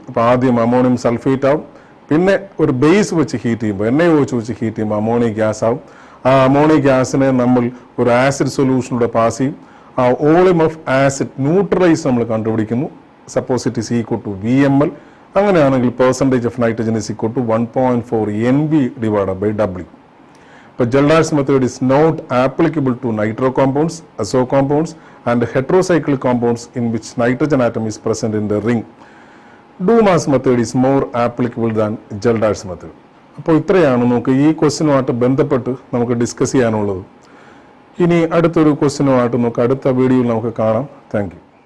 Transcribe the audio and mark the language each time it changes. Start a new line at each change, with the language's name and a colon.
Malayalam: അപ്പോൾ ആദ്യം ammonium sulphate ആവും, പിന്നെ ഒരു ബേസ് വെച്ച് ഹീറ്റ് ചെയ്യുമ്പോൾ, എണ്ണ ഒഴിച്ച് വെച്ച് ഹീറ്റ് ചെയ്യുമ്പോൾ അമോണിയ ഗ്യാസ് ആവും. ആ അമോണിയ ഗ്യാസിനെ നമ്മൾ ഒരു ആസിഡ് സൊല്യൂഷനിലൂടെ പാസ് ചെയ്യും. ആ വോളിയം ഓഫ് ആസിഡ് ന്യൂട്രലൈസ് നമ്മൾ കണ്ടുപിടിക്കുന്നു.
English: Suppose it is equal to VML. അങ്ങനെയാണെങ്കിൽ percentage of nitrogen is equal to 1.4 NV/W. But Kjeldahl'S method is not applicable to nitro compounds, azo compounds, and heterocyclic compounds in which nitrogen atom is present in the ring. Dumas method is more applicable than Kjeldahl'S method.
Malayalam: അപ്പോൾ ഇത്രയാണ് നമുക്ക് ഈ ക്വസ്റ്റ്യനുമായിട്ട് ബന്ധപ്പെട്ട് നമുക്ക് discuss ചെയ്യാനുള്ളത്. ഇനി അടുത്തൊരു ക്വസ്റ്റ്യനുമായിട്ട് നമുക്ക് അടുത്ത വീഡിയോയിൽ നമുക്ക് കാണാം. Thank you.